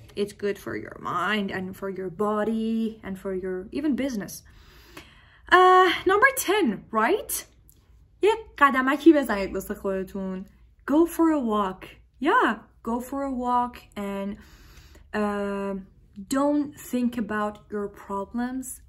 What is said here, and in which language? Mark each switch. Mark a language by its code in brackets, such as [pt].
[en] It's good for your mind and for your body and for your even business. Number 10, right? [fa] یه قدمکی بزنید واسه خودتون. [en] Go for a walk. Yeah, go for a walk and don't think about your problems.